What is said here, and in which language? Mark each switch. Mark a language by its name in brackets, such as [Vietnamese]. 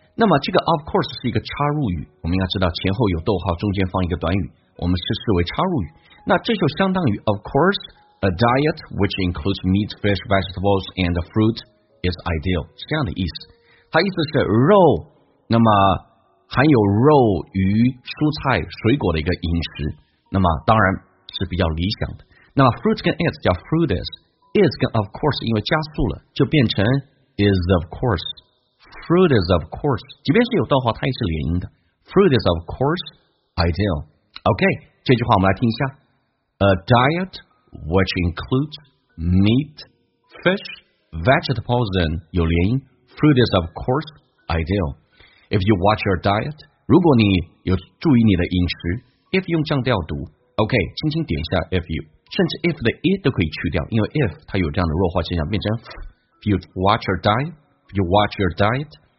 [Chinese] 那么这个 of course 是一个插入语，我们要知道前后有逗号，中间放一个短语，我们是视为插入语。那这就相当于 [English] of course a diet which includes meat, fish, vegetables and fruit is ideal， [Chinese] 是这样的意思。它意思是肉，那么含有肉、鱼、蔬菜、水果的一个饮食，那么当然是比较理想的。那么 fruit 跟 is 叫 fruit is 跟 of course 因为加速了，就变成 is of course。 [English] Fruit is of course， [Chinese] 即便是有逗号，它也是连音的。 [English] Fruit is of course ideal。 [Chinese] OK， 这句话我们来听一下。 [English] A diet which includes meat, fish, vegetables and [Chinese] 有连音。 [English] Fruit is of course ideal。 If you watch your diet， [Chinese] 如果你有注意你的饮食 [English] ，if [Chinese] 用降调读 [English] ，OK， [Chinese] 轻轻点一下 [English] if you， [Chinese] 甚至 if 的 e 都可以去掉，因为 if 它有这样的弱化现象，变成 [English] if you watch your diet。You watch your diet.